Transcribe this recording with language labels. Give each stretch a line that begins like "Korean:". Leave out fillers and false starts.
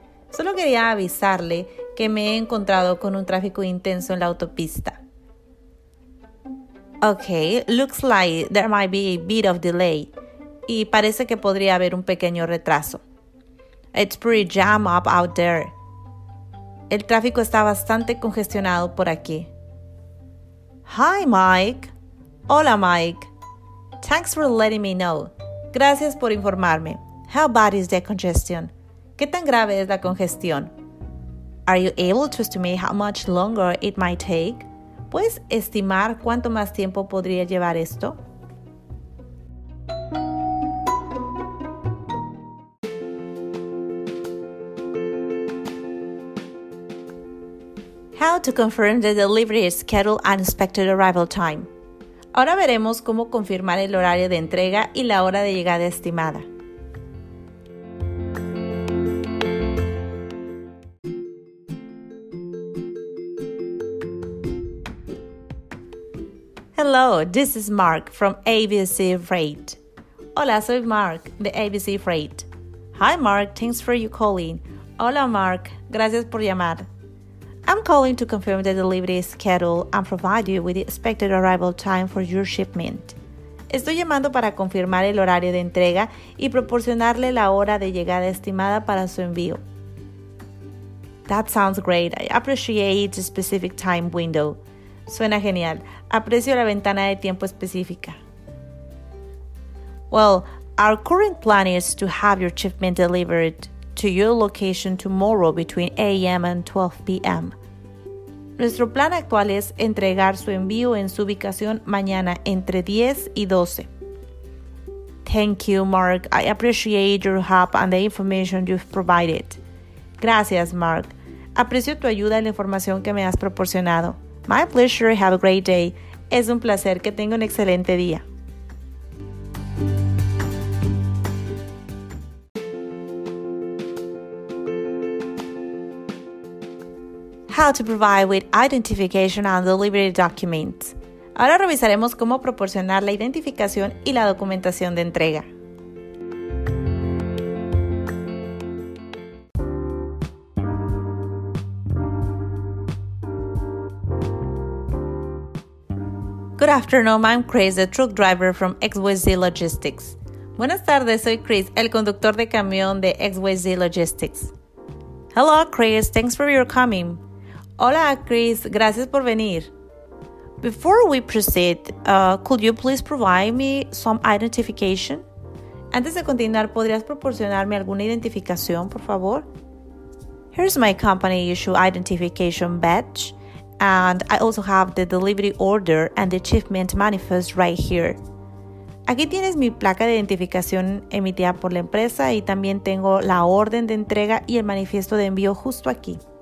Spanish: Solo quería avisarle que me he encontrado con un tráfico intenso en la autopista.
English: Okay, looks like there might be a bit of delay.
Spanish: Y parece que podría haber un pequeño retraso.
English: It's pretty jammed up out there.
Spanish: El tráfico está bastante congestionado por aquí.
English: Hi, Mike.
Spanish: Hola, Mike.
English: Thanks for letting me know.
Spanish: Gracias por informarme.
English: How bad is the congestion?
Spanish: ¿Qué tan grave es la congestión?
English: Are you able to estimate how much longer it might take?
Spanish: ¿Puedes estimar cuánto más tiempo podría llevar esto?
English: How to confirm the delivery schedule and expected arrival time.
Spanish: Ahora veremos cómo confirmar el horario de entrega y la hora de llegada estimada.
English: Hello, this is Mark from ABC Freight.
Spanish: Hola, soy Mark de ABC Freight.
English: Hi Mark, thanks for your calling.
Spanish: Hola Mark, gracias por llamar.
English: I'm calling to confirm the delivery schedule and provide you with the expected arrival time for your shipment.
Spanish: Estoy llamando para confirmar el horario de entrega y proporcionarle la hora de llegada estimada para su envío.
English: That sounds great. I appreciate the specific time window.
Spanish: Suena genial. Aprecio la ventana de tiempo específica.
English: Well, our current plan is to have your shipment delivered to your location tomorrow between 8 a.m. and 12 p.m.
Spanish: Nuestro plan actual es entregar su envío en su ubicación mañana entre 10 y 12.
English: Thank you, Mark. I appreciate your help and the information you've provided.
Spanish: Gracias, Mark. Aprecio tu ayuda y la información que me has proporcionado.
English: My pleasure. Have a great day.
Spanish: Es un placer. Que tenga un excelente día.
English: How to provide with identification and delivery documents.
Spanish: Ahora revisaremos cómo proporcionar la identificación y la documentación de entrega.
English: Good afternoon, I'm Chris, the truck driver from XYZ Logistics.
Spanish: Buenas tardes, soy Chris, el conductor de camión de XYZ Logistics.
English: Hello, Chris, thanks for your coming.
Spanish: Hola, Chris. Gracias por venir.
English: Before we proceed, could you please provide me some identification?
Spanish: Antes de continuar, ¿podrías proporcionarme alguna identificación, por favor?
English: Here's my company issue identification badge, and I also have the delivery order and the achievement manifest right here.
Spanish: Aquí tienes mi placa de identificación emitida por la empresa y también tengo la orden de entrega y el manifiesto de envío justo aquí.